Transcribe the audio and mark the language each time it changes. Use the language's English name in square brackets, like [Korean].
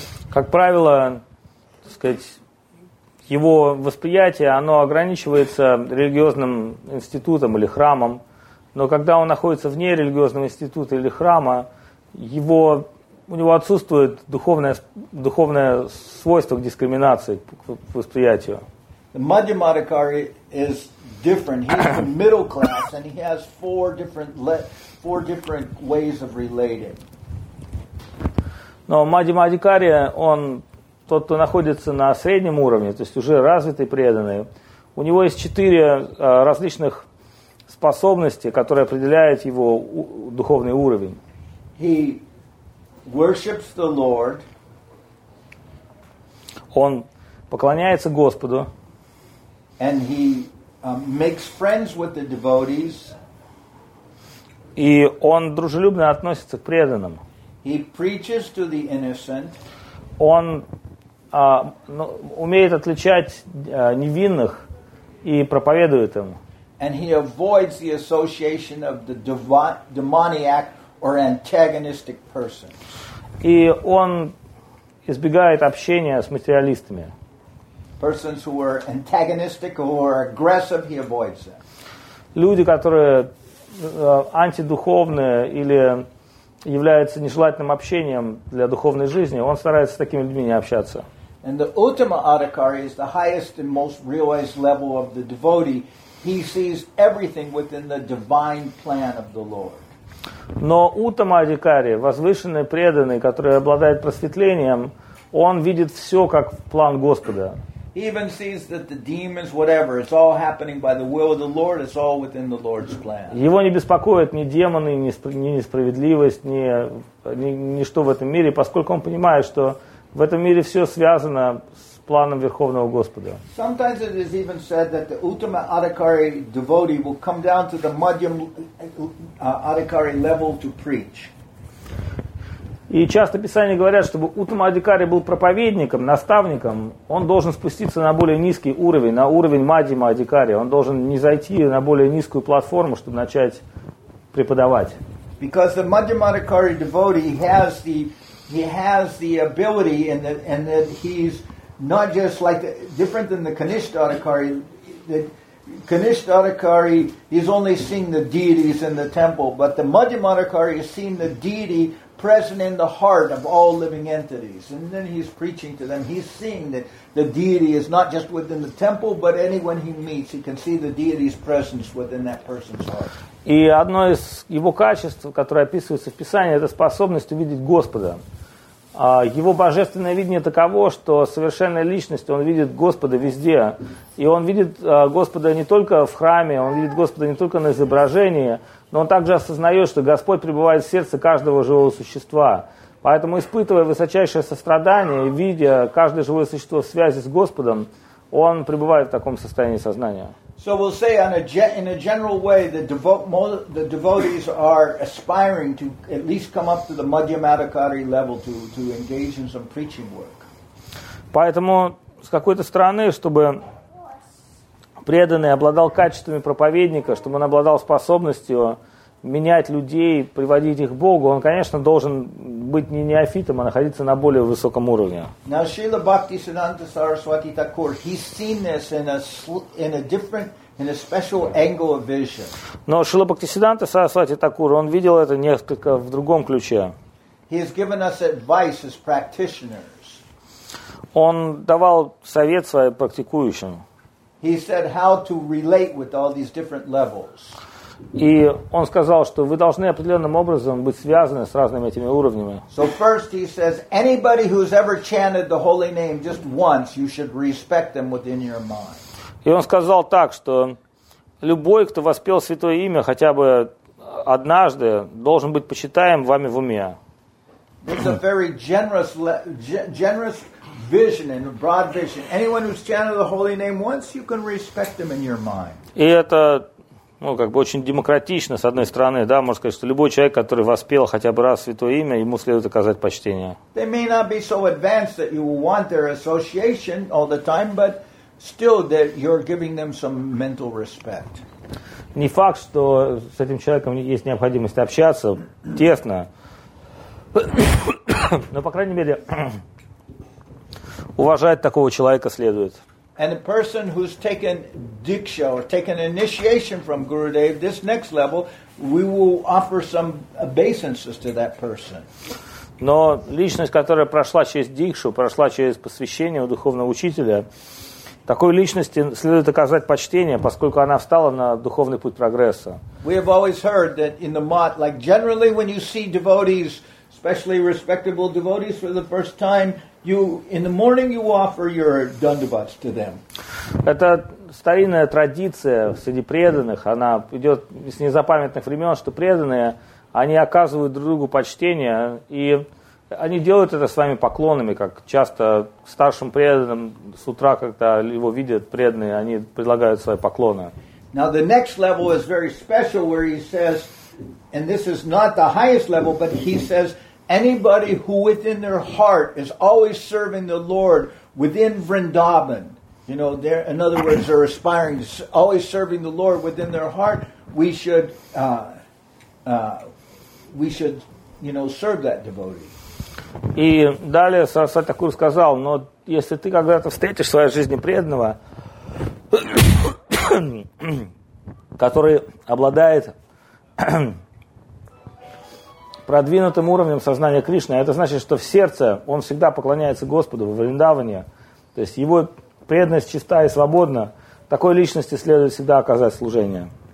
[Russian] Как правило, так сказать, его восприятие, оно ограничивается религиозным институтом или храмом, но когда он находится вне религиозного института или храма, его у него отсутствует духовное свойство к дискриминации к восприятию. [English] The Madhyamadikari is different. He's the middle class, and he has four different ways of relating. [Russian] Но Мадхима-Адикари, он тот, кто находится на среднем уровне, то есть уже развитый преданный. У него есть четыре различных способности, которые определяют его духовный уровень. [English] He worships the Lord. [Russian] Он поклоняется Господу. [English] And he makes friends with the devotees. [Russian] И он дружелюбно относится к преданным. [English] He preaches to the innocent. [Russian] Он умеет отличать невинных и проповедует им. [English] And he avoids the association of the demoniac or antagonistic person. [Russian] И он избегает общения с материалистами. [English] persons who are antagonistic or aggressive, he avoids them. [Russian] Люди, которые антидуховные или являются нежелательным общением для духовной жизни, он старается с такими людьми не общаться. [English] And the Uttama Adhikari is the highest and most realized level of the devotee. He sees everything within the divine plan of the Lord. [Russian] Но Уттама Адхикари, возвышенный преданный, который обладает просветлением, он видит все как план Господа. [English] He even sees that the demons, whatever, it's all happening by the will of the Lord, it's all within the Lord's plan. [Russian] Его не беспокоят ни демоны, ни несправедливость, ничто в этом мире, поскольку он понимает, что в этом мире все связано с планом Верховного Господа. [English] Sometimes it is even said that the Uttama Adhikari devotee will come down to the Madhyam Adhikari level to preach. [Russian] И часто Писания говорят, чтобы Уттама Адхикари был проповедником, наставником, он должен спуститься на более низкий уровень, на уровень Мадхьяма Адхикари. Он должен не зайти на более низкую платформу, чтобы начать преподавать. [English] Because the Madhyama Adhikari devotee has the ability and that he's not just like different than the Kanishtha Adhikari. The Kanishtha Adhikari is only seeing the deities in the temple, but the Madhyama Adhikari is seeing the deity present in the heart of all living entities, and then he's preaching to them. He's seeing that the deity is not just within the temple, but anyone he meets, he can see the deity's presence within that person's heart. [Russian] И одно из его качеств, которое описывается в Писании, это способность увидеть Господа. Его божественное видение таково, что совершенная личность, он видит Господа везде. И он видит Господа не только в храме, он видит Господа не только на изображении, но он также осознает, что Господь пребывает в сердце каждого живого существа. Поэтому, испытывая высочайшее сострадание, видя каждое живое существо в связи с Господом, он пребывает в таком состоянии сознания. [English] So we'll say in a general way that the devotees are aspiring to at least come up to the Madhyama Adhikari level to engage in some preaching work. [Russian] Поэтому с какой-то стороны, чтобы преданный обладал качествами проповедника, чтобы он обладал способностью менять людей, приводить их к Богу, он, конечно, должен быть не неофитом, а находиться на более высоком уровне. [English] Now, Srila Bhaktisiddhanta Saraswati Thakur, he's seen this in a special angle of vision. [Russian] Но Шрила Бхактисиддханта Сарасвати Такур, он видел это несколько в другом ключе. [English] He has given us advice as practitioners. [Russian] Он давал совет своим практикующим. [English] He said how to relate with all these different levels. [Russian] И он сказал, что вы должны определенным образом быть связаны с разными этими уровнями. [English] So first he says, anybody who's ever chanted the holy name just once, you should respect them within your mind. [Russian] И он сказал так, что любой, кто воспел святое имя хотя бы однажды, должен быть почитаем вами в уме. [English] It's a very generous vision and a broad vision. Anyone who's chanted the holy name once, you can respect them in your mind. [Russian] И это очень демократично, с одной стороны, да, можно сказать, что любой человек, который воспел хотя бы раз святое имя, ему следует оказать почтение. [English] They may not be so advanced that you want their association all the time, but still that you're giving them some mental respect. [Russian] Не факт, что с этим человеком есть необходимость общаться тесно, но, по крайней мере, уважать такого человека следует. [English] And a person who's taken diksha or taken initiation from Gurudev, this next level, we will offer some obeisances to that person. [Russian] Но личность, которая прошла через дикшу, прошла через посвящение у духовного учителя, такой личности следует оказать почтение, поскольку она встала на духовный путь прогресса. [English] We have always heard that in the mat, like generally when you see devotees, especially respectable devotees for the first time, you in the morning you offer your dandavats to them. [Russian] Это старинная традиция среди преданных, она идет с незапамятных времен, что преданные, они оказывают друг другу почтение, и они делают это своими поклонами, как часто старшим преданным с утра, когда его видят преданные, они предлагают свои поклоны. [English] Now the next level is very special, where he says, and this is not the highest level, but he says, anybody who within their heart is always serving the Lord within Vrindavan, you know, they're, in other words, they're aspiring, always serving the Lord within their heart, we should, you know, serve that devotee. [Russian] И далее Сарасвати Такур сказал, но если ты когда-то встретишь в своей жизни преданного, который обладает продвинутым уровнем сознания Кришны, это значит, что в сердце он всегда поклоняется Господу во Вриндаване, то есть его преданность чиста и свободна, такой личности следует всегда оказать служение.